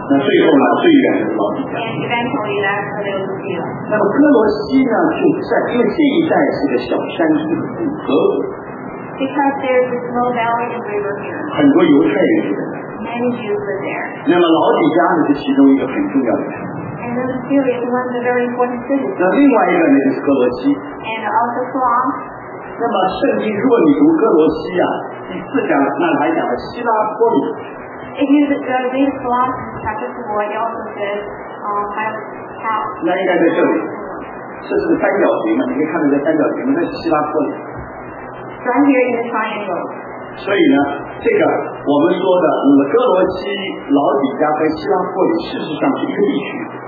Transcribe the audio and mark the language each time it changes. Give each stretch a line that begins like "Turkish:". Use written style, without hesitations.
Chinese: 那最后呢，最远的老底家。
English: And eventually, that's where they would be.
Chinese: 那么哥罗西呢，就在，因为这一带是个小山区，很多。
English: Because there's a small valley and river here.
Chinese: 很多犹太人。
English: Many Jews were there.
Chinese: 那么老底家呢是其中一个很重要的。
English: And the city is one of the very important cities.
Chinese: 那另外一个呢就是哥罗西。
English: And also Colossae.
Chinese: 那么圣经如果你读哥罗西啊，第四章那还讲了希拉波里。
English: If you read Colossae chapter 4, it also says, how.
Chinese: 那应该在这里，这是三角形嘛？你可以看到这三角形，那是希拉波里。
English: Right here in the triangle.
Chinese: 所以呢，这个我们说的哥罗西、老底家和希拉波里，事实上是一个地区。